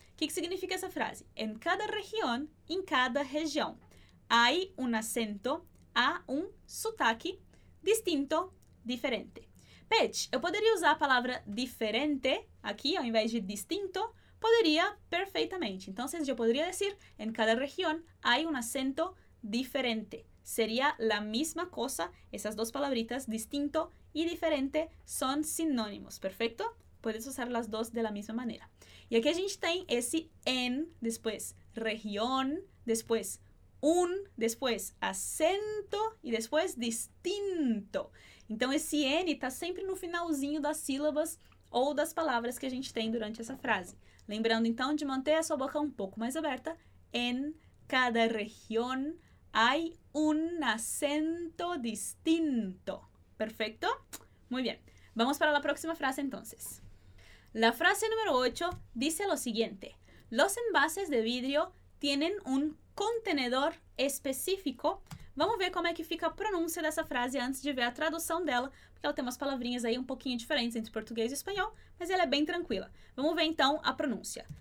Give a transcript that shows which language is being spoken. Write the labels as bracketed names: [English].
[Spanish] ¿Qué significa esa frase? En cada región, en cada región, hay un acento, hay un sotaque distinto, diferente. Pet, yo podría usar la palabra diferente aquí, ao invés de distinto, podría perfectamente. Entonces, yo podría decir, en cada región hay un acento diferente. Seria la misma cosa, [Portuguese] essas duas palavritas, distinto e diferente, são sinônimos, perfeito? Podes usar as duas de la mesma maneira. E aqui a gente tem esse en, depois región, depois un, depois acento e depois distinto. Então, esse N está sempre no finalzinho das sílabas ou das palavras que a gente tem durante essa frase. Lembrando, então, de manter a sua boca um pouco mais aberta. [Spanish] En cada región hay un acento distinto. Perfecto? Muy bien. Vamos para la próxima frase, entonces. La frase número 8 dice lo siguiente. Los envases de vidrio tienen un contenedor específico. [Portuguese] Vamos ver como é que fica a pronúncia dessa frase antes de ver a tradução dela, porque ela tem umas palavrinhas aí um pouquinho diferentes entre português e espanhol, mas ela é bem tranquila. Vamos ver então a pronúncia.